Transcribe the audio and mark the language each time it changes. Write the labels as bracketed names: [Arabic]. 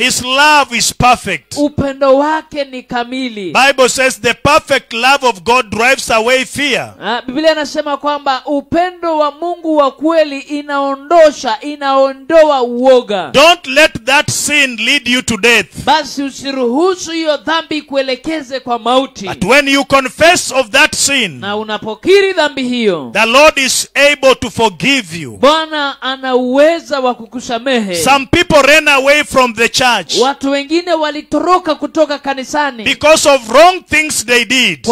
[English] His love is perfect. [Swahili] Upendo wake ni kamili. [English] Bible says the perfect love of God drives away fear. [Swahili] Biblia inasema kwamba upendo wa Mungu wa kweli inaondosha, inaondoa uoga. [English] Don't let that sin lead you to death. [Swahili] Basi usiruhusu hiyo dhambi kuelekeze kwa mauti. [English] But when you confess of that sin, [Swahili] na unapokiri dhambi hiyo, [English] the Lord is able to forgive you. [Swahili] Bwana ana uwezo wa kukusamehe. [English] Some people ran away from the church. [Swahili] Watu wengine walitoroka kutoka kanisani. [English] Because of wrong things they did.